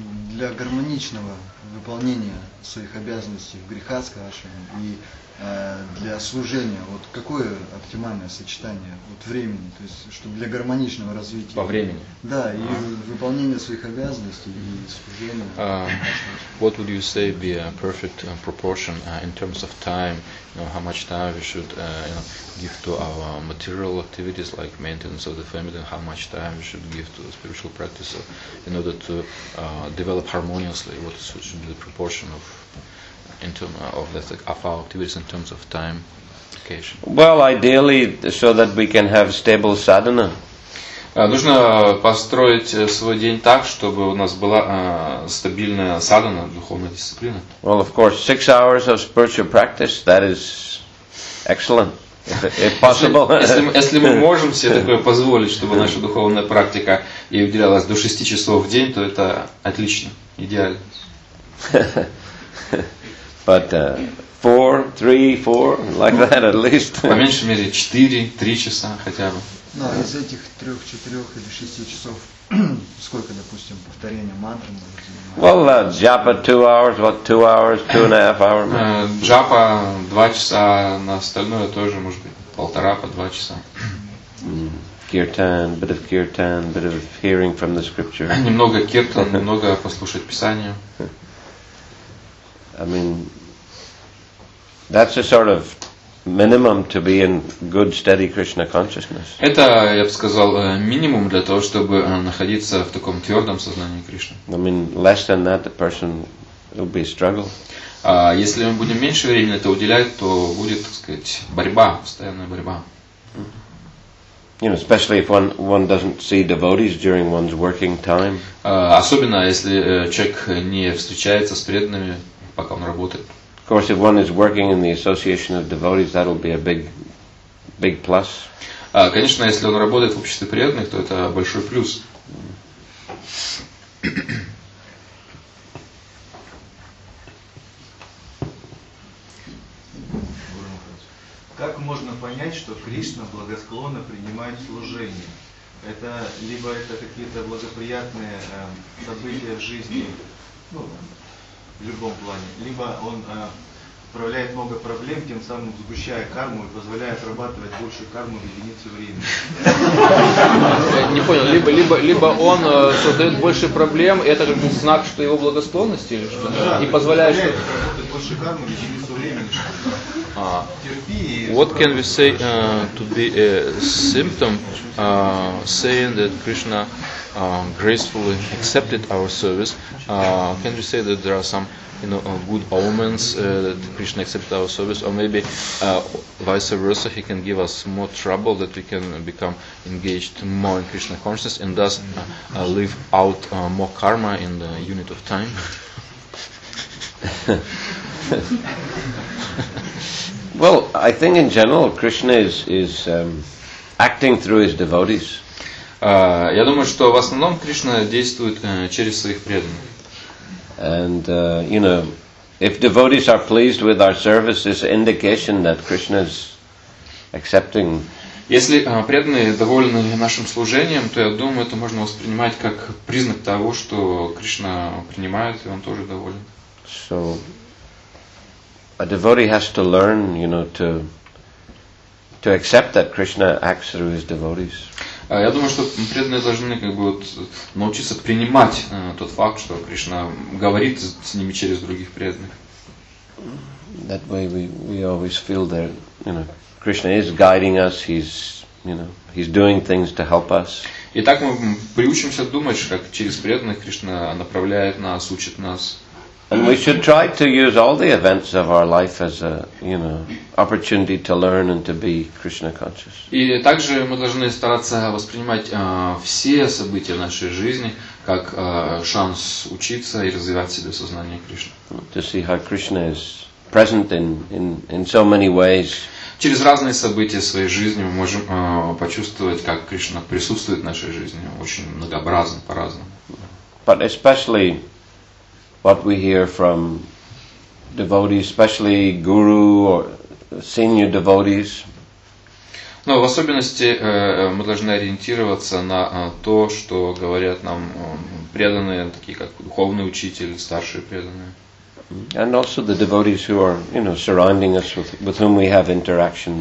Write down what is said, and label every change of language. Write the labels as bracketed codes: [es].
[ru] Для гармоничного выполнения своих обязанностей в грихаске ашраме и для служения, вот какое оптимальное сочетание вот времени, то есть чтобы для гармоничного развития по времени. Да, и выполнение своих обязанностей и служения. [en] What would you say be a perfect proportion in terms of time? You know, how much time we should give to our material activities like maintenance of the family, and how much time we should give to the spiritual practice in order to develop harmoniously? What should be the proportion of in terms of the of our activities in terms of time occasion? Well, ideally, so that we can have stable sadhana. [ru] Нужно построить свой день так, чтобы у нас была стабильная садхана, духовная дисциплина. [en] Well, of course, 6 hours of spiritual practice, that is excellent. If possible. [ru] Если мы можем себе такое позволить, чтобы наша духовная практика и уделялась до 6 часов в день, то это отлично, идеально. [en] But 4, 3, 4, like that at least. [ru] По меньшей мере 4, 3 часа хотя бы. Ну, из этих 3, 4 или 6 часов, сколько, допустим, повторения мантры мы занимаем? [en] Well, japa 2 hours, what, 2 hours, 2.5 hours? [ru] Japa 2 часа, на остальное тоже, может быть, 1.5 по 2 часа. [en] Kirtan, bit of kirtan, bit of hearing from the scripture. [ru] Немного киртан, немного послушать писание. [en] I mean, that's a sort of minimum to be in good, steady Krishna consciousness. [ru] Это, я бы сказал, минимум для того, чтобы находиться в таком твердом сознании Кришны. [en] I mean, less than that, the person will be struggle. [ru] А если мы будем меньше времени это уделять, то будет, так сказать, борьба, постоянная борьба. [en] You know, especially if one doesn't see devotees during one's working time. [ru] Особенно если человек не встречается с преданными, пока он работает. [en] Of course, if one is working in the association of devotees, that will be a big, big plus. [ru] Конечно, если он работает в обществе преданных, то это большой плюс. Как можно понять, что Кришна благосклонно принимает служение? Это либо это какие-то благоприятные события в жизни, ну, в любом плане, либо он управляет много проблем, тем самым сгущая карму и позволяя отрабатывать больше кармы в единицу времени. Не понял, либо он создает больше проблем, это же знак, что его благосклонность или что? И позволяет отработать больше кармы в единицу времени. [en] What can we say to be a symptom saying that Krishna gracefully accepted our service? Can we say that there are some, you know, good omens that Krishna accepted our service, or maybe vice versa, he can give us more trouble that we can become engaged more in Krishna consciousness and thus live out more karma in the unit of time? Well, I think in general Krishna is acting through his devotees. [ru] Я думаю, что в основном Кришна действует через своих преданных. [en] And you know, if devotees are pleased with our service, it's an indication that Krishna is accepting [ru] Если преданные довольны нашим служением, то я думаю, это можно воспринимать как признак того, что Кришна принимает, и он тоже доволен. [en] So, a devotee has to learn, you know, to accept that Krishna acts through his devotees. [ru] Я думаю, что преданные должны как бы вот научиться принимать тот факт, что Кришна говорит с ними через других преданных. [en] That way we always feel that, you know, Krishna is guiding us, he's doing things to help us. [ru] И так мы приучимся думать, как через преданных Кришна направляет нас, учит нас. [en] And we should try to use all the events of our life as a, you know, opportunity to learn and to be Krishna conscious. [ru] И также мы должны стараться воспринимать все события нашей жизни как шанс учиться и развивать в себе сознание Кришны. [en] To see how Krishna is present in so many ways. [ru] Через разные события своей жизни мы можем почувствовать, как Кришна присутствует в нашей жизни, очень многообразно, по-разному. [en] But especially what we hear from devotees, especially guru or senior devotees. [ru] Но в особенности мы должны ориентироваться на то, что говорят нам преданные, такие как духовный учитель, старшие преданные. [en] And also the devotees who are, you know, surrounding us with whom we have interaction.